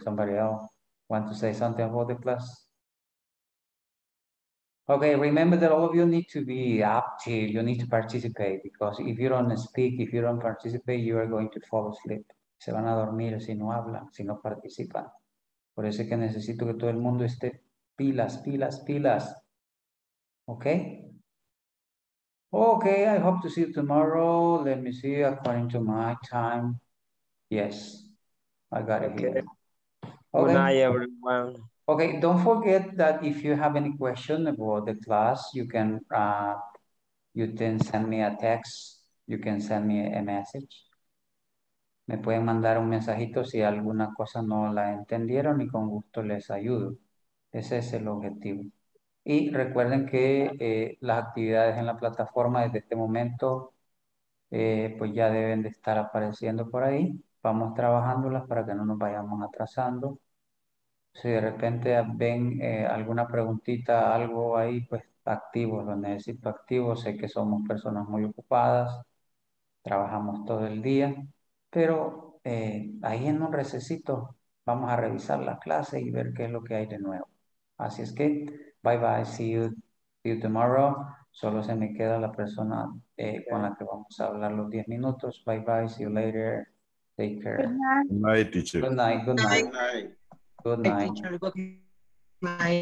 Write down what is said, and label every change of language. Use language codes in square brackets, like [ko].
[en] Somebody else want to say something about the class? Okay, remember that all of you need to be active. You need to participate because if you don't speak, if you don't participate, you are going to fall asleep. [es] Se van a dormir si no hablan, si no participan. Por eso es que necesito que todo el mundo esté pilas, pilas, pilas. [en] Okay? Okay, I hope to see you tomorrow. Let me see according to my time. Yes, I got it okay. Here. Okay. Good night, everyone. Okay, don't forget that if you have any question about the class, you can send me a text. You can send me a message. [es] Me pueden mandar un mensajito si alguna cosa no la entendieron y con gusto les ayudo. Ese es el objetivo. Y recuerden que las actividades en la plataforma desde este momento pues ya deben de estar apareciendo por ahí. Vamos trabajándolas para que no nos vayamos atrasando. Si de repente ven alguna preguntita, algo ahí, pues activo, lo necesito activo. Sé que somos personas muy ocupadas, trabajamos todo el día, pero ahí en un recesito vamos a revisar la clase y ver qué es lo que hay de nuevo. Así es que, [en] bye bye, see you tomorrow. [es] Solo se me queda la persona con la que vamos a hablar los 10 minutos. [en] Bye bye, see you later. Take care. Good night, teacher. Good night, good night. Good night. Good night. Good night. Good